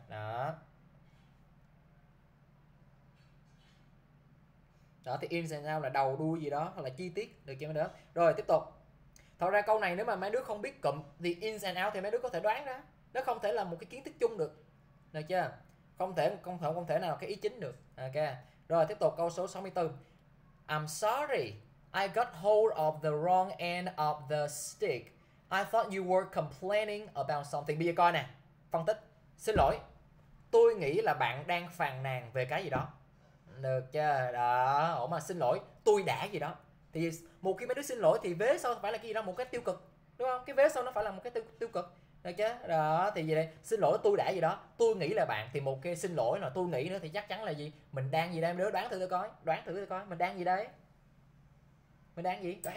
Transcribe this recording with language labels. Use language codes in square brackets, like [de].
[vi] Đó, đó thì in sao là đầu đuôi gì đó, hoặc là chi tiết, được chưa mấy đứa? Rồi tiếp tục. Thật ra câu này nếu mà mấy đứa không biết cụm the in and out thì mấy đứa có thể đoán đó, nó không thể là một cái kiến thức chung được, được chưa? Không thể nào cái ý chính được. Ok, rồi tiếp tục câu số 64. [en] I'm sorry, I got hold of the wrong end of the stick. I thought you were complaining about something. [vi] Bây giờ coi nè. Phân tích. Xin lỗi. Tôi nghĩ là bạn đang phàn nàn về cái gì đó. Được chưa? Đó. Ủa mà xin lỗi. Tôi đã gì đó. Thì một khi mấy đứa xin lỗi thì vế sau phải là cái gì đó, một cái tiêu cực. Đúng không? Cái vế sau nó phải là một cái tiêu cực. được chứ. Đó thì gì đây, xin lỗi tôi đã gì đó, tôi nghĩ là bạn thì một cái xin lỗi, là tôi nghĩ nữa thì chắc chắn là gì, mình đang gì đây em, đứa đoán thử tôi coi, đoán thử tôi coi mình đang gì đấy, mình đang gì đoán.